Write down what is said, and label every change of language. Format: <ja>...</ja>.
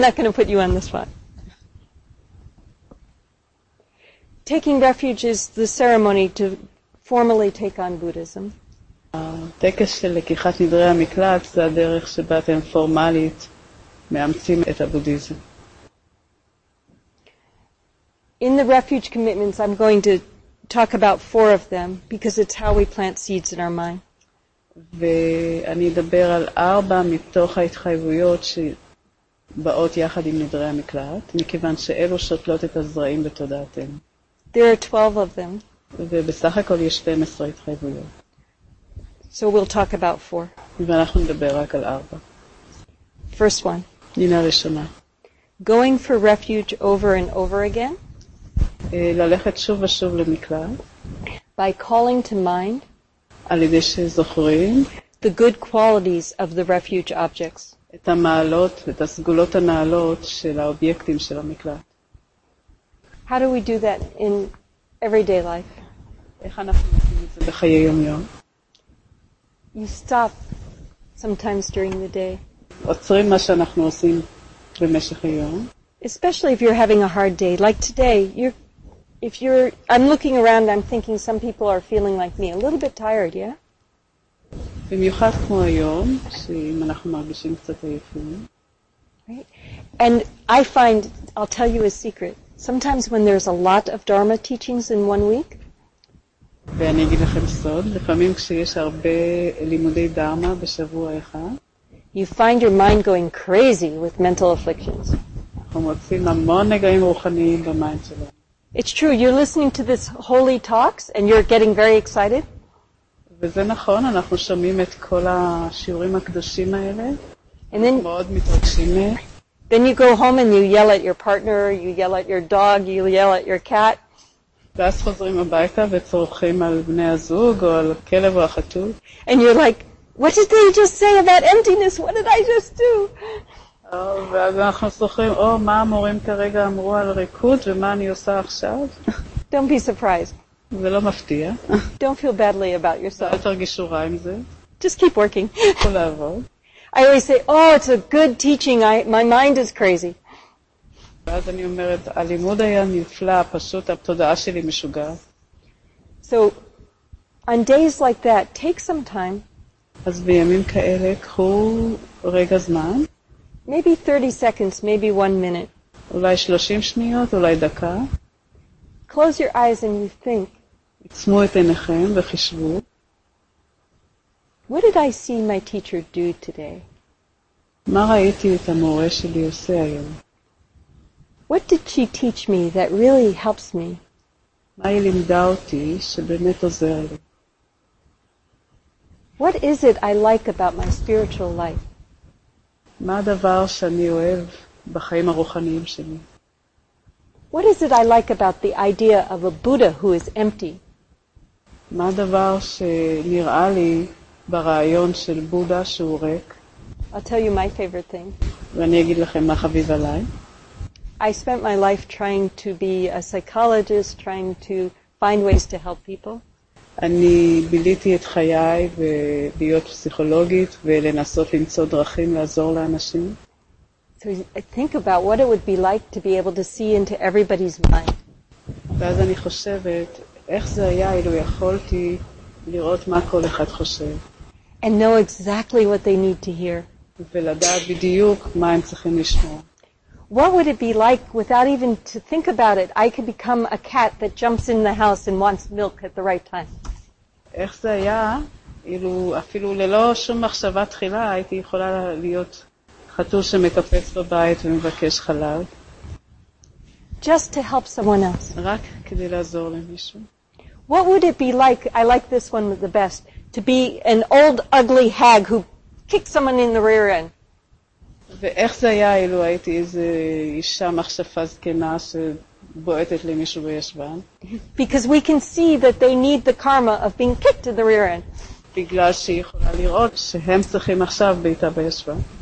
<en>not going to put you on the spot. Taking refuge is the ceremony to formally take on Buddhism.</en> <he>הטקס של לקיחת נדרי המקלט זה הדרך שבה אתם פורמלית מאמצים את הבודהיזם.</he> <en>In the refuge commitments, I'm going to talk about four of them because it's how we plant seeds in our mind.</en> <he>ואני אדבר על ארבע מתוך ההתחייבויות שבאות יחד עם נדרי המקלט, מכיוון שאלו שותלות את הזרעים בתודעתם.</he> <en>There are 12 of them.</en> <he>ובסך הכל יש 12 התחייבויות.</he> <en>So we'll talk about four.</en> <he>ואנחנו נדבר רק על ארבע.</he> <en>First one.</en> <he>נינה ראשונה.</he> <en>Going for refuge over and over again.</en> <he>ללכת שוב ושוב למקלט.</he> <en>By calling to mind.</en> <he>על ידי שזוכרים</he> <en>the good qualities of the refuge objects,</en> <he>את המעלות ואת הסגולות הנעלות של האובייקטים של המקלט.</he> <en>How do we do that in everyday life?</en> <he>איך אנחנו עושים את זה בחיי יום יום?</he> <en>You stop sometimes during the day.</en> <he>עוצרים מה שאנחנו עושים במשך היום.</he> <en>Especially if you're having a hard day like today, I'm looking around, I'm thinking some people are feeling like me, a little bit tired, yeah?</en> <he>במיוחד כמו היום, שאם אנחנו מרגישים קצת עייפים.</he> <en>And I find, I'll tell you a secret, sometimes when there's a lot of Dharma teachings in one week,</en> <he>ואני אגיד לכם סוד, לפעמים כשיש הרבה לימודי דרמה בשבוע אחד,</he> <en>you find your mind going crazy with mental afflictions.</en> <he>אנחנו מוצאים המון נגעים רוחניים במיינד שלנו.</he> <en>It's true, you're listening to this holy talks and you're getting very excited.</en> <he>וזה נכון, אנחנו שומעים את כל השיעורים הקדושים האלה.</he> <en>And then,</en> <he>מאוד מתרגשים.</he> <en>Then you go home and you yell at your partner, you yell at your dog, you yell at your cat.</en> <he>ואז חוזרים הביתה וצורחים על בני הזוג או על הכלב או החתול.</he> <en>And you're like, what did they just say about emptiness? What did I just do?</en> <he>ואז אנחנו זוכרים, או, מה המורים כרגע אמרו על ריקוד ומה אני עושה עכשיו?</he> <en>Don't be surprised.</en> <he>זה לא מפתיע.</he> <en>Don't feel badly about yourself.</en> <he>אל תרגישו רע עם זה.</he> <en>Just keep working.</en> <he>תכו לעבוד.</he> <en>I always say, oh, it's a good teaching. My mind is crazy.</en> <he>ואז אני אומרת, הלימוד היה נפלא, פשוט התודעה שלי משוגעת.</he> <en>So, on days like that, take some time.</en> <he>אז בימים כאלה, קחו רגע זמן.</he> <en>Maybe 30 seconds, maybe 1 minute.</en> <he>אולי 30 שניות, אולי דקה.</he> <en>Close your eyes and you think.</en> <he>עצמו את עיניכם וחשבו.</he> <en>What did I see my teacher do today?</en> <he>מה ראיתי את המורה שלי עושה היום?</he> <en>What did she teach me that really helps me?</en> <he>מה היא לימדה אותי שבאמת עוזר לי?</he> <en>What is it I like about my spiritual life?</en> <he>מה הדבר שאני אוהב בחיים הרוחניים שלי?</he> <en>What is it I like about the idea of a Buddha who is empty?</en> <he>מה הדבר שנראה לי ברעיון של בודה שהוא ריק?</he> <en>I'll tell you my favorite thing.</en> <he>ואני אגיד לכם מה חביב עליי.</he> <en>I spent my life trying to be a psychologist, trying to find ways to help people.</en> <he>אני ביליתי את חיי ולהיות פסיכולוגית ולנסות למצוא דרכים לעזור לאנשים.</he> <en>So I think about what it would be like to be able to see into everybody's mind.</en> <he>ואז אני חושבת, איך זה היה אילו יכולתי לראות מה כל אחד חושב.</he> <en>And know exactly what they need to hear.</en> <he>ולדעת בדיוק מה הם צריכים לשמוע.</he> <en>What would it be like without even to think about it? I could become a cat that jumps in the house and wants milk at the right time.</en> <he>איך זה היה? אילו אפילו ללא שום מחשבה תחילה הייתי יכולה להיות חתול שמקפץ בבית ומבקש חלב.</he> <en>Just to help someone else.</en> <he>רק כדי לעזור למישהו.</he> <en>What would it be like? I like this one the best. To be an old ugly hag who kicks someone in the rear end.</en> <he>ואיך זה היה אילו הייתי איזו אישה מחשפה זקנה שבועטת למישהו בישבן?</he> <en>Because we can see that they need the karma of being kicked in the rear end.</en> <he>בגלל שהיא יכולה לראות שהם צריכים עכשיו בעיטה בישבן.</he>